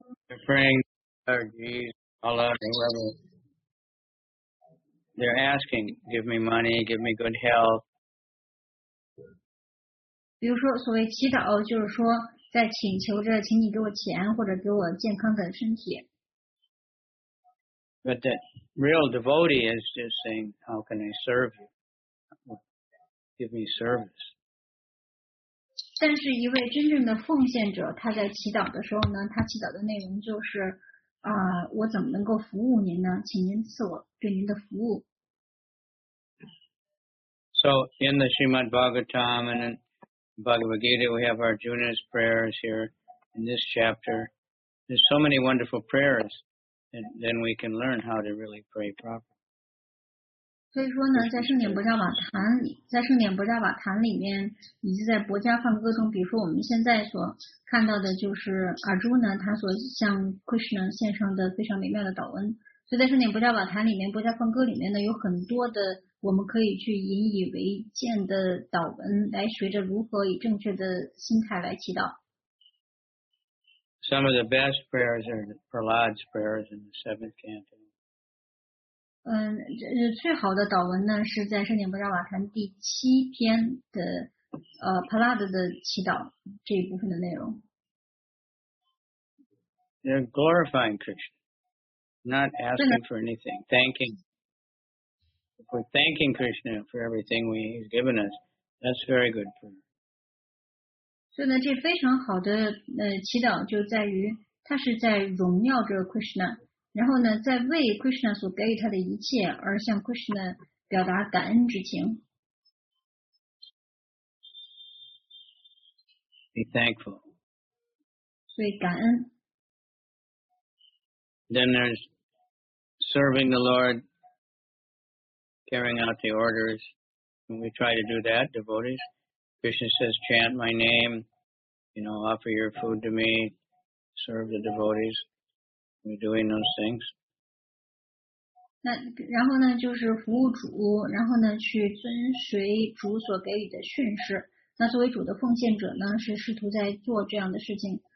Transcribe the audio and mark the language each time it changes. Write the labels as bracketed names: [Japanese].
[English] They're praying to Jesus, Allah, whoever. They're asking, give me money, give me good health. [Chinese] 比如说所谓祈祷就是说在请求着，请你给我钱，或者给我健康的身体。 [English] But the real devotee is just saying, "How can I serve you? Give me service." [Chinese] 但是，一位真正的奉献者，他在祈祷的时候呢，他祈祷的内容就是我怎么能够服务您呢？请您赐我对您的服务。 [English] So in the Srimad Bhagavatam and in Bhagavad Gita, we have Arjuna's prayers here in this chapter. There's so many wonderful prayers then we can learn how to really pray properly. [Chinese] 所以说呢，在圣典伯加瓦坛里，在圣典伯加瓦坛里面，以及在伯加梵歌中，比如说我们现在所看到的，就是阿朱呢，他所向 Krishna 献上的非常美妙的祷恩。所以在圣典伯加瓦坛里面，伯加梵歌里面呢，有很多的我们可以去引以为鉴的祷恩，来学着如何以正确的心态来祈祷。 [English] Some of the best prayers are Prahlad's prayers in the seventh canto. [Chinese] 最好的祷文呢是在圣典伯加瓦坛第七篇的Prahlad的祈祷这一部分的内容。 [English] They're glorifying Krishna, not asking for anything, thanking. If we're thanking Krishna for everything he's given us, that's very good prayer. [Chinese] 所以呢，这非常好的祈祷就在于他是在荣耀着 Krishna。然后呢，在为 Krishna 所给予他的一切而向 Krishna 表达感恩之情。 [English] Be thankful. [Chinese] 所以感恩。 [English] Then there's serving the Lord, carrying out the orders. When we try to do that, devotees, Krishna says, chant my name, you know, offer your food to me, serve the devotees. We're doing those things. [Chinese] 那然后呢，就是服务主，然后呢，去遵随主所给予的训示。那作为主的奉献者呢，是试图在做这样的事情。